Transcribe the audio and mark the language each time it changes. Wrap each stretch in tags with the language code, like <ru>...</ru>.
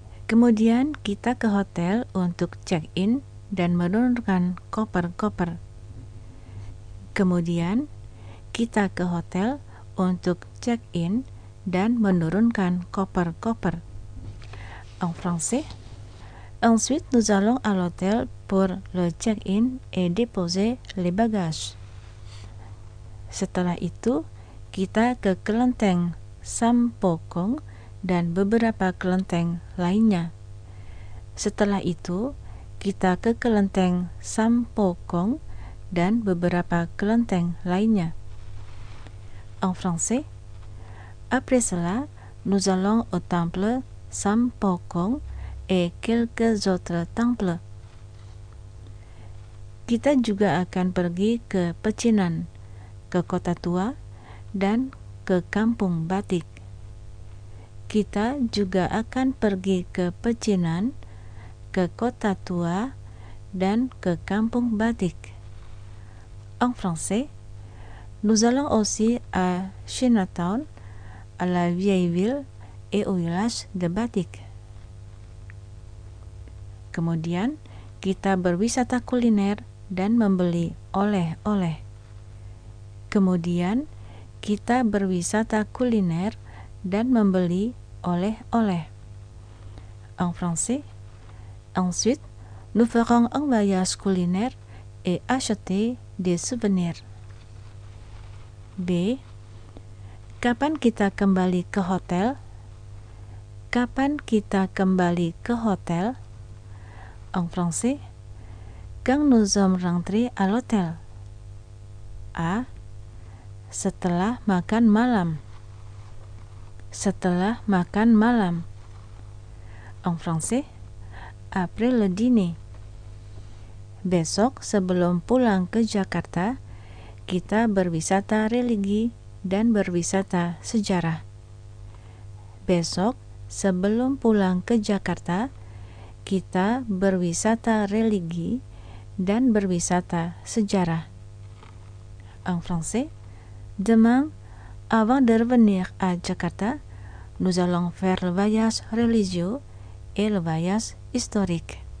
<id>Kemudian kita ke hotel untuk check-in dan menurunkan koper-koper. Kemudian kita ke hotel untuk check-in dan menurunkan koper-koper.</id> <fr>En français. Ensuite, nous allons à l'hôtel pour le check-in et déposer les bagages.</fr> <id>Setelah itu, kita ke kelenteng Sampokong dan beberapa kelenteng lainnya. Setelah itu, kita ke kelenteng Sampokong dan beberapa kelenteng lainnya.</id> <fr>En français, après cela, nous allons au temple Sampokong et quelques autres temples.</fr> <id>Kita juga akan pergi ke Pecinan, ke Kota Tua, dan ke Kampung Batik. Kita juga akan pergi ke Pecinan, ke Kota Tua, dan ke Kampung Batik.</id> <fr>En français, nous allons aussi à Chinatown, à la vieille ville et au village de Batik.</fr> <id>Kemudian, kita berwisata kuliner dan membeli oleh-oleh. Kemudian, kita berwisata kuliner dan membeli oleh-oleh.</id> <fr>En français, ensuite, nous ferons un voyage culinaire et acheter des souvenirs. B.</fr> <id>Kapan kita kembali ke hotel? Kapan kita kembali ke hotel?</id> <fr>En français, quand nous sommes rentrés à l'hôtel? A.</fr> <id>Setelah makan malam. Setelah makan malam.</id> <fr>En français, après le dîner.</fr> <id>Besok sebelum pulang ke Jakarta, kita berwisata religi dan berwisata sejarah. Besok sebelum pulang ke Jakarta, kita berwisata religi dan berwisata sejarah.</id> <fr>En français, demain, avant de revenir à Jakarta, nous allons faire le voyage religieux et le voyage historique.</fr>